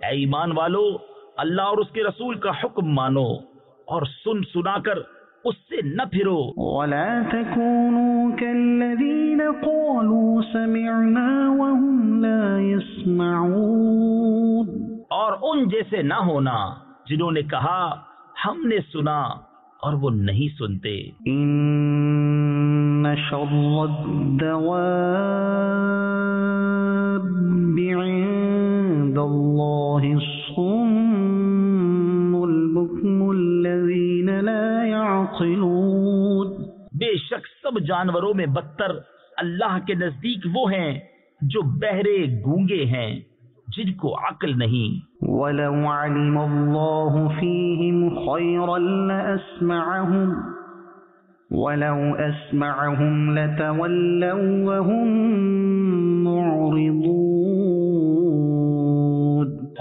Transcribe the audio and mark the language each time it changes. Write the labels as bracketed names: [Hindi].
[Urdu] اے ایمان والو اللہ اور اس کے رسول کا حکم مانو اور سن سنا کر اس سے نہ پھرو. [Arabic] وَلَا تَكُونُوا كَالَّذِينَ قَالُوا سَمِعْنَا وَهُمْ لَا يَسْمَعُونَ [Urdu] اور ان جیسے نہ ہونا جنہوں نے کہا ہم نے سنا اور وہ نہیں سنتے. [Arabic] ان شر الدواب عند اللہ الصم البکم الذین لا یعقلون. [Urdu] بے شک سب جانوروں میں بدتر اللہ کے نزدیک وہ ہیں جو بہرے گونگے ہیں جن کو عقل نہیں. [Arabic] وَلَوْ عَلِمَ اللَّهُ فِيهِمْ خَيْرًا لَأَسْمَعَهُمْ وَلَوْ أَسْمَعَهُمْ لَتَوَلَّوْا وَهُمْ مُعْرِضُونَ.